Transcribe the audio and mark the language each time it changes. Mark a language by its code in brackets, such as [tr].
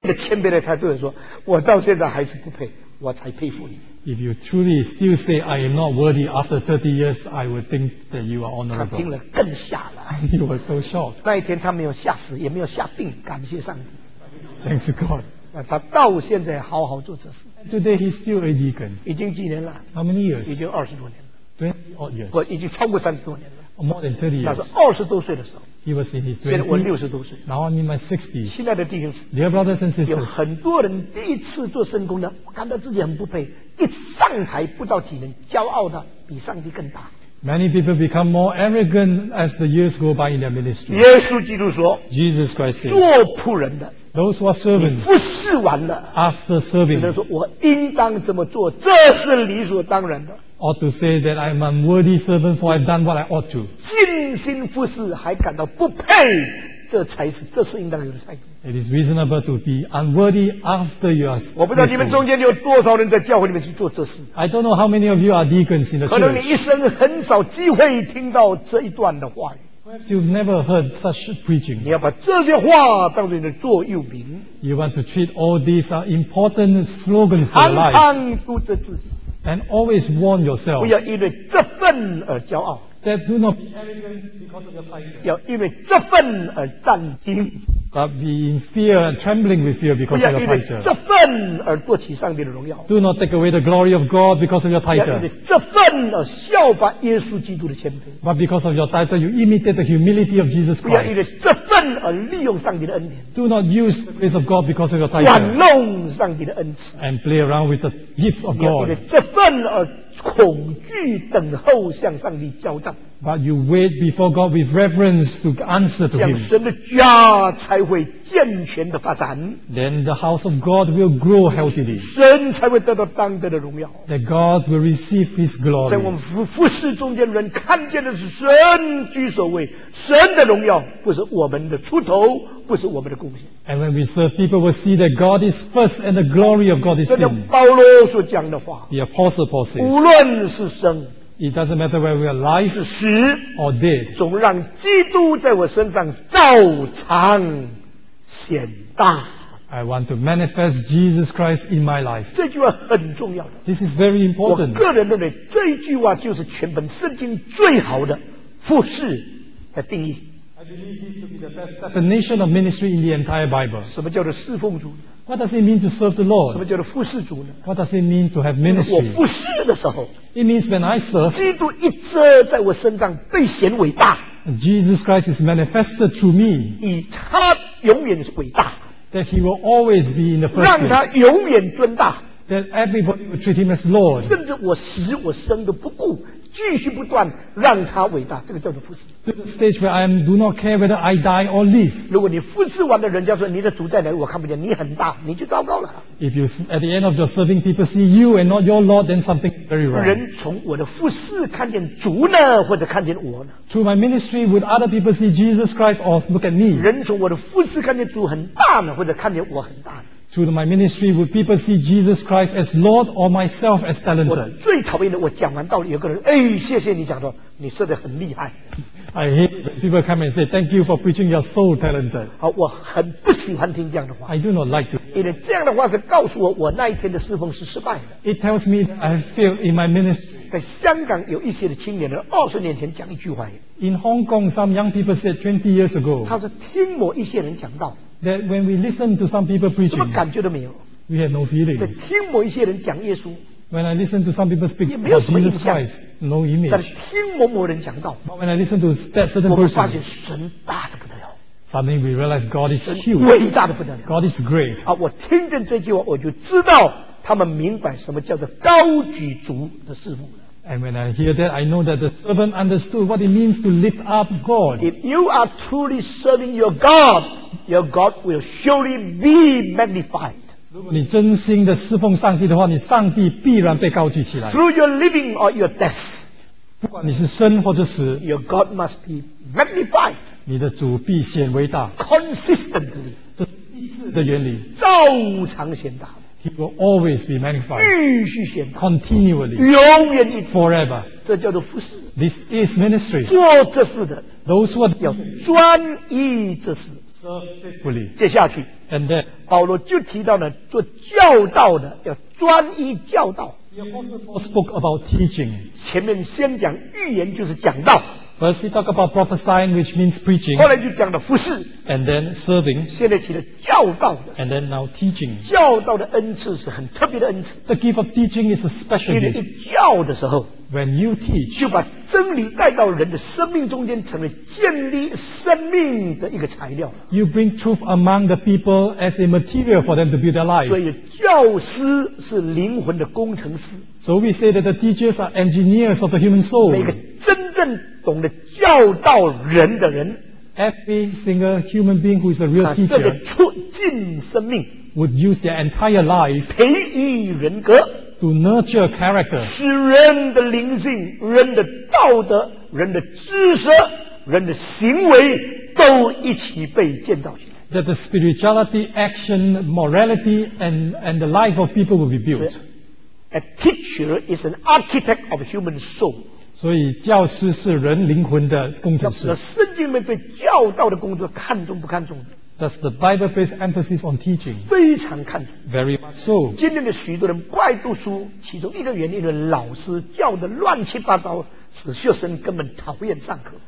[zh] 的谦卑的态度的说，我到现在还是不配，我才佩服你。 [en] If you truly still say I am not worthy after 30 years, I would think that you are honorable. [zh] 他听了更吓了。 [en] He was so shocked. [zh] 那一天他没有吓死，也没有吓病，感谢上帝。 [en] Thanks God. [zh] 那他到现在好好做这事。 [en] Today he's still a deacon. [zh] 已经几年了 [en] ？How many years? [zh] 已经二十多年了。 [en] 20 odd years. [zh] 不，已经超过三十多年了。 [en] More than 30 years. [zh] 那是二十多岁的时候。 [en] He was in his 20s. [zh] 现在我六十多岁。 [en] Now I'm in my 60s. [zh] 亲爱的弟兄姊妹 [en] ，Dear brothers and sisters, [zh] 有很多人第一次做圣工呢，感到自己很不配。一上台不到几年，骄傲的比上帝更大。 [en] Many people become more arrogant as the years go by in their ministry. [zh] 耶稣基督说 [en] ，Jesus Christ said, [zh] 做仆人的 [en] ，those who are servants, [zh] 你服侍完了 [en] ，after serving, [zh] 只能说我应当怎么做，这是理所当然的。 [en] Ought to say that I am unworthy servant for I've done what I ought to. [zh] 尽心服侍还感到不配，这才是这是应当有的态度。 [en] It is reasonable to be unworthy after you are. [zh] 我不知道你们中间有多少人在教会里面去做这事。 [en] I don't know how many of you are deacons in the church. [zh] 可能你一生很少机会听到这一段的话语。 [en] Perhaps you've never heard such preaching. [zh] 你要把这些话当作你的座右铭。 [en] You want to treat all these important slogans for life. [zh] 常常督责自己。 [en] And always warn yourself. [zh] 不要因为这份而骄傲。 [en] That do not be arrogant because of your pride. [zh] 要因为这份而战惊。 [en] But be in fear and trembling with fear because of your title. [zh] 不要因为这份而夺取上帝的荣耀。 [en] Do not take away the glory of God because of your title. [zh] 要因为这份而效法耶稣基督的谦卑。 [en] But because of your title, you imitate the humility of Jesus Christ. [zh] 不要因为这份而利用上帝的恩典。 [en] Do not use the grace of God because of your title. [zh] 玩弄上帝的恩赐。 [en] And play around with the gifts of God. [zh] 要因为这份而恐惧等候向上帝交账。 [en] But you wait before God with reverence to answer to Him. [zh] 神的家才会健全的发展。 [en] Then the house of God will grow healthily. [zh] 神才会得到当得的荣耀。 [en] That God will receive His glory. [zh] 在我们服侍中间，人看见的是神居首位，神的荣耀不是我们的出头，不是我们的贡献。 [en] And when we serve, people will see that God is first, and the glory of God is seen. [zh] 保罗所讲的话。 [en] The apostle Paul says. [zh] 无论是生。 [en] It doesn't matter whether we are alive [zh] 是死 [en] or dead. [zh] 总让基督在我身上照常显大。 [en] I want to manifest Jesus Christ in my life. [zh] 这句话很重要的。 [en] This is very important. [zh] 我个人认为这一句话就是全本圣经最好的服事的定义。 [en] I believe this to be the best definition of ministry in the entire Bible. [zh] 什么叫做侍奉主？ [en] What does it mean to serve the Lord? [zh] 什么叫做服事主呢 [en] ？What does it mean to have ministry? [zh] 我服事的时候 [en] ，It means when I serve. [zh] 基督一遮在我身上被显伟大。 [en] Jesus Christ is manifested through me. [zh] 以他永远是伟大。 [en] That he will always be in the first place. [zh] 让他永远尊大。 [en] That everybody will treat him as Lord. [zh] 甚至我死我生都不顾，继续不断让他伟大，这个叫做服事。 [en] To the stage where I do not care whether I die or live. [zh] 如果你服事完了，人家说你的主在哪里，我看不见，你很大，你就糟糕了。 [en] If you at the end of your serving, people see you and not your Lord, then something is very wrong. [zh] 人从我的服事看见主呢，或者看见我呢 [en] ？Through my ministry, would other people see Jesus Christ or look at me? [zh] 人从我的服事看见主很大呢，或者看见我很大呢？ [en] Through my ministry, would people see Jesus Christ as Lord or myself as talented? [zh] 我最讨厌的，我讲完道理，有个人，哎，谢谢你讲的，你说的很厉害。 [en] I hate people come and say, "Thank you for preaching. You're so talented." [zh] 好，我很不喜欢听这样的话。 [en] I do not like to. [zh] 因为这样的话是告诉我，我那一天的侍奉是失败的。 [en] It tells me that I have failed in my ministry. [zh] 在香港有一些的青年人，二十年前讲一句话。 [en] In Hong Kong, some young people said 20 years ago. [zh] 他说听某一些人讲道。 [en] That when we listen to some people preaching, [zh] 什么感觉都没有。 [en] We have no feelings. [zh] 在听某一些人讲耶稣。 [en] When I listen to some people speak about Jesus Christ, no image. [zh] 但是听某某人讲道。 [en] But when I listen to that certain person, [zh] 我们发现神大得不得了。 [en] Suddenly we realize God is huge. [zh] 伟大得不得了。 [en] God is great. [zh] 啊，我听见这句话，我就知道他们明白什么叫做高举主的侍奉。 [en] And when I hear that, I know that the servant understood what it means to lift up God. If you are truly serving your God will surely be magnified. [zh] 如果你真心的侍奉上帝的话，你上帝必然被高举起来。 [en] Through your living or your death, [zh] 不管你是生或者死 [en] ，your God must be magnified. [zh] 你的主必显伟大。 [en] Consistently, [zh] 这是一致的原理。照常显大。 [en] He will always be magnified. [zh] 继续显大。 [en] Continually. [zh] 永远一直。 [en] Forever. [zh] 这叫做服事。 [en] This is ministry. [zh] 做这事的。 [en] Those who are. [zh] 要专一这事。 [en] faithfully. [zh] 接下去 [en] and then, [zh] 保罗就提到了做教导的要专一教导。 [en] He also spoke about teaching. [zh] 前面先讲预言就是讲道。 [en] First, he talked about prophesying, which means preaching. [zh] 后来就讲了服事。 [en] And then serving. [zh] 现在起了教导的。 [en] And then now teaching. [zh] 教导的恩赐是很特别的恩赐。 [en] The gift of teaching is a special gift. [zh] 因为你教的时候， [en] When you teach, [zh] 就把真理带到人的生命中间，成为建立生命的一个材料。 [en] You bring truth among the people as a material for them to build their life. [zh] 所以教师是灵魂的工程师。 [en] So we say that the teachers are engineers of the human soul. [zh] 每个真正懂得教导人的人， [en] every single human being who is a real teacher, [zh] 这个促进生命， [en] would use their entire life, [zh] 培育人格， [en] to nurture character, [zh] 使人的灵性、人的道德、人的知识、人的行为都一起被建造起来。 [en] That the spirituality, action, morality, and the life of people will be built. A teacher is an architect of human soul. [zh] 所以教师是人灵魂的工程师。圣经里面对教导的工作看重不看重？ [en] Does the Bible place emphasis on teaching? [zh] 非常看重。 [en] Very much so. [zh] 今天的许多人不爱读书，其中一个原因是老师教的乱七八糟，使学生根本讨厌上课。